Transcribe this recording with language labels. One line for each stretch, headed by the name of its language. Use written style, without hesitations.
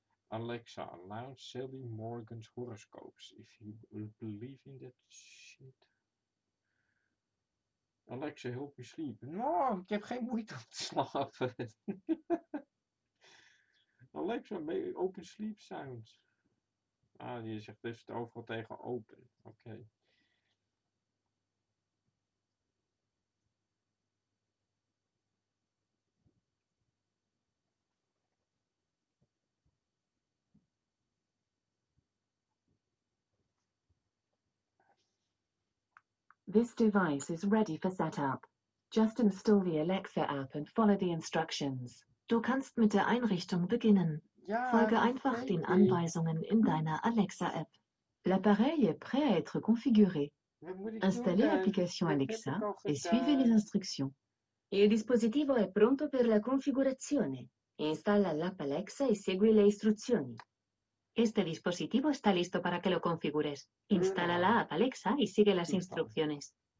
English: Alexa, announce Sally Morgan's horoscopes, if you believe in that shit. Alexa, help me sleep.
Dutch: No, ik heb geen moeite om te slapen.
English: Alexa, open sleep sounds.
Dutch: Ah, die zegt dus het overal tegen open. Oké.
English: This device is ready for setup. Just install the Alexa app and follow the instructions.
German: Du kannst mit der Einrichtung beginnen. Ja, folge einfach den Anweisungen in deiner Alexa App.
French: L'appareil est prêt à être configuré. Installez l'application Alexa et suivez les instructions.
Italian: Il dispositivo è pronto per la configurazione. Installa l'app Alexa e segui le istruzioni.
Spanish: Este dispositivo está listo para que lo configures. Instala la app Alexa y sigue las instrucciones.